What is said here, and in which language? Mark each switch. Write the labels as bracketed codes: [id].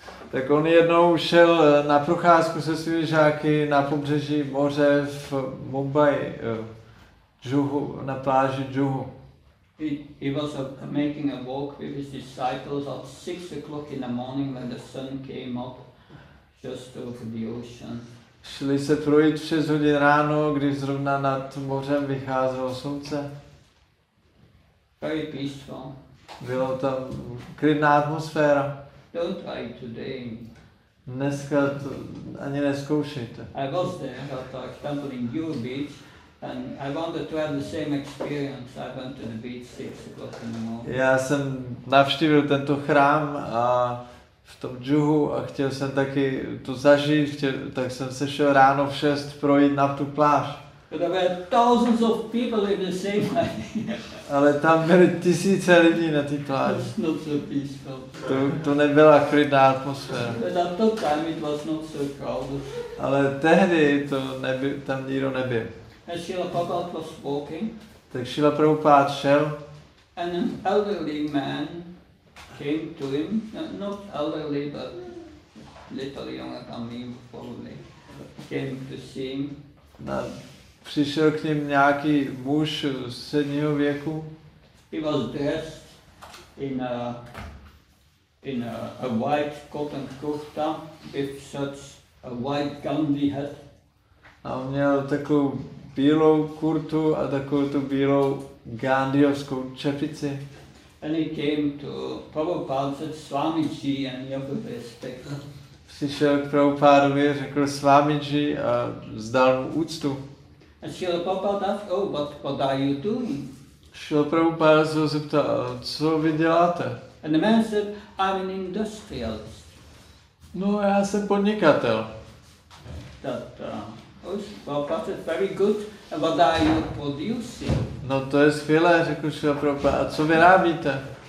[cs] Tak on jednou šel na procházku se svými žáky na pobřeží moře v Mumbai, Juhu, na pláži Juhu. [en] He was making a walk with his disciples at 6 o'clock in the morning when the sun came up just over the ocean. [cs] Šli se projít 6 hodin ráno, když zrovna nad mořem vycházelo slunce. [en] Very peaceful. [cs] Bylo tam klidná atmosféra. [en] Don't try today. [cs] Dneska to ani neskoušejte. [en] I was there at a temple in Yuhu Beach. And I wanted to have the same experience. I went to the beach 6 o'clock in the morning. [cs] Já jsem navštívil tento chrám a v tom džuhu a chtěl jsem taky to zažít, tak jsem se šel ráno v 6 projít na tu pláž. [en] But there were thousands of people in the same way. [cs] Ale tam byly tisíce lidí na té pláži. [en] It's not so peaceful. [cs] To nebyla klidná atmosféra. [en] But at that time it was not so crowded. [cs] Ale tehdy to tam nikdo nebyl. [en] And Srila Prabhupada was walking. [cs] Tak Srila Prabhupada šel. [en] And an elderly man came to him. Not elderly, but little younger than me, probably. Came to see him. [cs] Přišel k ním nějaký muž středního věku. [en] He was dressed in a white cotton kurta with such a white Gandhi hat. [cs] A on měl takovou bílou kurtu a takovou tu bílou gandhiovskou čepici. [en] And he came to Prabhupada, said, Swamiji, and you have to respect him. [cs] Přišel k Prabhupádovi, řekl Swamiji a vzdal mu úctu. [en] A Srila Prabhupada asked, oh, what are you doing? [cs] Srila Prabhupada se ho zeptal, co vy děláte? [en] And the man said, I'm an industrialist. [cs] No, já jsem podnikatel. [en] That, Prabhupada said, very good, and what are you producing? [cs] No, to je skvělé, řekl Srila Prabhupada, a co vyrábíte?